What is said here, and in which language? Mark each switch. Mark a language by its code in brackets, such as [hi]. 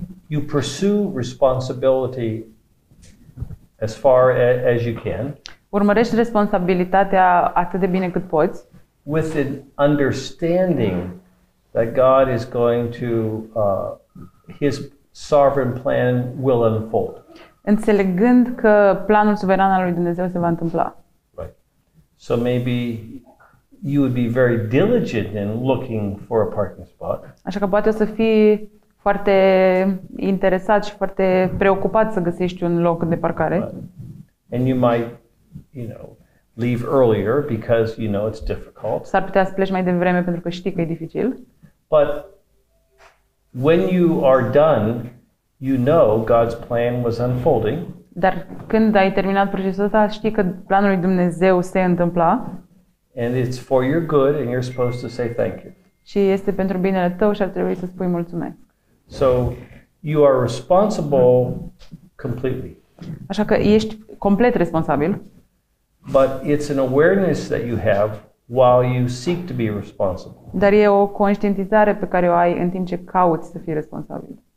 [en] You pursue responsibility as far as you can. [ro] Urmărești responsabilitatea atât de bine cât poți. [en] With an understanding that God is going to his sovereign plan will unfold. [ro] Înțelegând că planul suveran al lui Dumnezeu se va întâmpla. [en] Right. So maybe you would be very diligent in looking for a parking spot. [ro] Așa că poate o să fii foarte interesat și foarte preocupat să găsești un loc de parcare. [en] And you might, you know, leave earlier because you know it's difficult. [ro] S-ar putea să pleci mai devreme pentru că știi că e dificil. [en] But when you are done, you know God's plan was unfolding. [ro] Dar când ai terminat procesul ăsta, știi că planul lui Dumnezeu se întâmpla. [en] And it's for your good and you're supposed to say thank you. [ro] Și este pentru binele tău și ar trebui să spui mulțumesc. [en] So you are responsible completely. [ro] Așa că ești complet responsabil. [en] But it's an awareness that you have while you seek to be responsible. [ro] Dar e o conștientizare pe care o ai în timp ce cauți să fii responsabil.